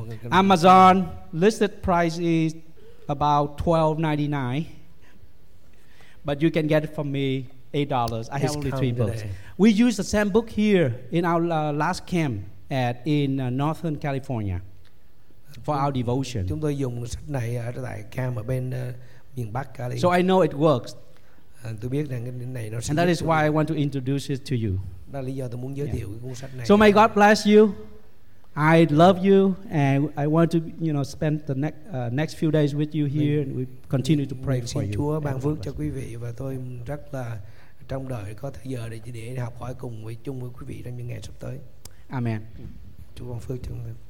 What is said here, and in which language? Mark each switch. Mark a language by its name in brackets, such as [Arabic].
[English] Amazon listed price is about $12.99, but you can get it from me $8. I have only three books. We use the same book here in our last camp in Northern California for our devotion. [Vietnamese] Chúng tôi dùng sách này ở tại camp ở bên miền Bắc California. [English] So I know it works. [Vietnamese] Tôi biết rằng cái này nó sẽ. [English] And that is why I want to introduce it to you. [Vietnamese] Đó là lý do tôi muốn giới thiệu cái cuốn sách này. [English] So may God bless you. I love you and I want to spend the next few days with you here and we continue to pray for you. [Vietnamese] Xin Chúa ban phước cho quý vị và tôi rất là trong đời có thời giờ để học hỏi cùng với chung với quý vị trong những ngày sắp tới. [English] Amen. [Vietnamese] Chúa ban phước cho chúng ta.